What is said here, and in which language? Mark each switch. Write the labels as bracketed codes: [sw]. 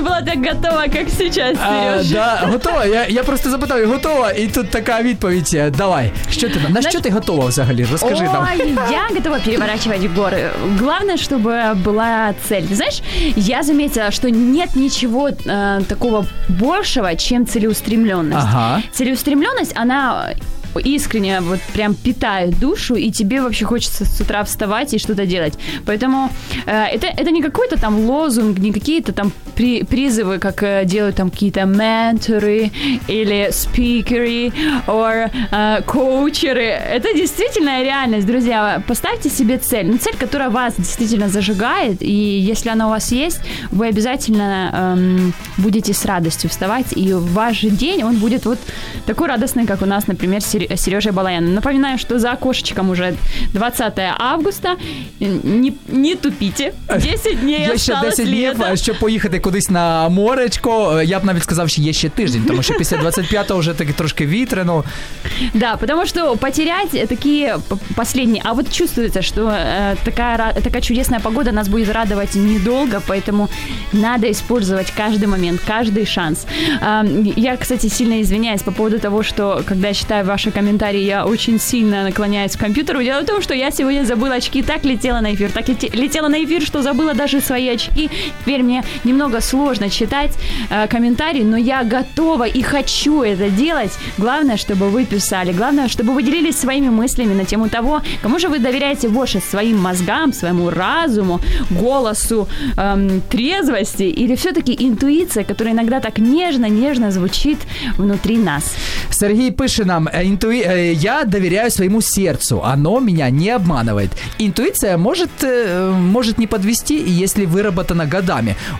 [ru] так готова, как сейчас, Сережа. Да, готова. [uk] Я просто запитав, готова? І тут така відповідь. Давай, що ти, на що ти готова взагалі? Розкажи нам. [ru] Ой, я готова переворачивать горы. Главное, чтобы была цель. Знаешь, я заметила, что нет ничего такого большего, чем целеустремленность. Ага. Целеустремленность, она... искренне вот прям питает душу, и тебе вообще хочется с утра вставать и что-то делать. Поэтому это не какой-то там лозунг, не какие-то там призывы, как делают там какие-то менторы или спикеры or коучеры. Это действительно реальность, друзья. Поставьте себе цель. Ну, цель, которая вас действительно зажигает, и если она у вас есть, вы обязательно будете с радостью вставать, и ваш день, он будет вот такой радостный, как у нас, например, Сережа Балаян. Напоминаю, что за окошечком уже 20 августа. Не тупите. 10 дней осталось. [uk] Ще 10 дней, щоб поїхати кудись на моречко. Я б навіть сказав, що є ще тиждень, тому що після 25-го вже таки трошки вітряно. [ru] Да, потому что потерять такие последние. А вот чувствуется, что такая чудесная погода нас будет радовать недолго, поэтому надо использовать каждый момент, каждый шанс. Я, кстати, сильно извиняюсь по поводу того, что когда я читаю ваши комментарии, я очень сильно наклоняюсь к компьютеру. Дело в том, что я сегодня забыла очки, так летела на эфир, что забыла даже свои очки. Теперь мне немного сложно читать комментарии, но я готова и хочу это делать. Главное, чтобы вы писали, главное, чтобы вы делились своими мыслями на тему того, кому же вы доверяете больше, своим мозгам, своему разуму, голосу, трезвости или все-таки интуиция, которая иногда так нежно-нежно звучит внутри нас. [uk] Сергій пише нам, я довіряю своєму серцю, оно мене не обманює. Інтуїція може не підвести, якщо виробітана годами.